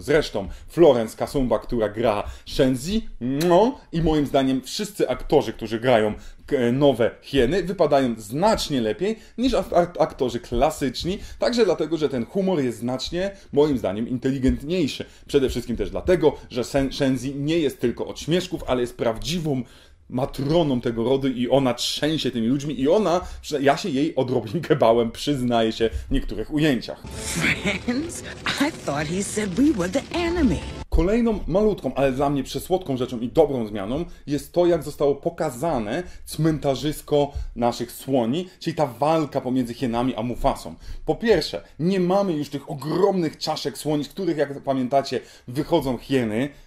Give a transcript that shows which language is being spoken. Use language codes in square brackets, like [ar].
[pl] Zresztą Florence Kasumba, która gra Shenzi, no i moim zdaniem wszyscy aktorzy, którzy grają nowe hieny, wypadają znacznie lepiej niż aktorzy klasyczni, także dlatego, że ten humor jest znacznie, moim zdaniem, inteligentniejszy. Przede wszystkim też dlatego, że Shenzi nie jest tylko od śmieszków, ale jest prawdziwą matroną tego rodu i ona trzęsie tymi ludźmi i ona, ja się jej odrobinkę bałem, przyznaję się, w niektórych ujęciach. [en] Friends? I thought he said we were the enemy. [pl] Kolejną malutką, ale dla mnie przesłodką rzeczą i dobrą zmianą jest to, jak zostało pokazane cmentarzysko naszych słoni, czyli ta walka pomiędzy hienami a Mufasą. Po pierwsze, nie mamy już tych ogromnych czaszek słoni, z których, jak pamiętacie, wychodzą hieny.